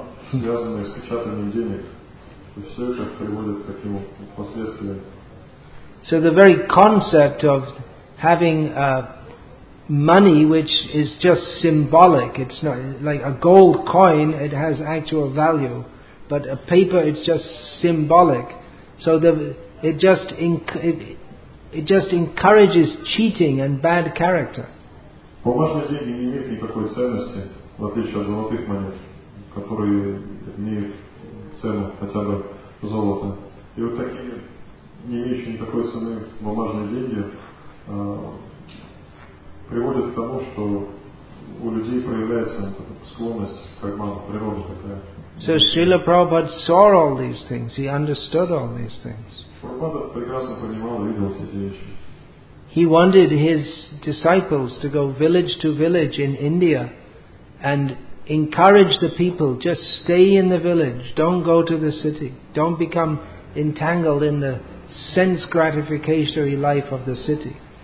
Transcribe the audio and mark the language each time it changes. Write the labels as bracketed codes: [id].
[ru] связанные с печатанием денег. То есть все это приводит к таким последствиям. [en] So the very concept of having money which is just symbolic, it's not like a gold coin, it has actual value, but a paper, it's just symbolic. So it just encourages cheating and bad character. [ru] Бумажные деньги не имеют никакой ценности, в отличие от золотых монет, которые имеют цену, хотя бы золото. И вот такие, не имеющие никакой цены бумажные деньги, приводят к тому, что у людей проявляется склонность к обману, природа такая. [en] So Srila Prabhupada saw all these things, he understood all these things. [ru] Prabhupada прекрасно понимал и видел все эти вещи. [en] He wanted his disciples to go village to village in India and encourage the people, just stay in the village, don't go to the city, don't become entangled in the sense gratificatory life of the city.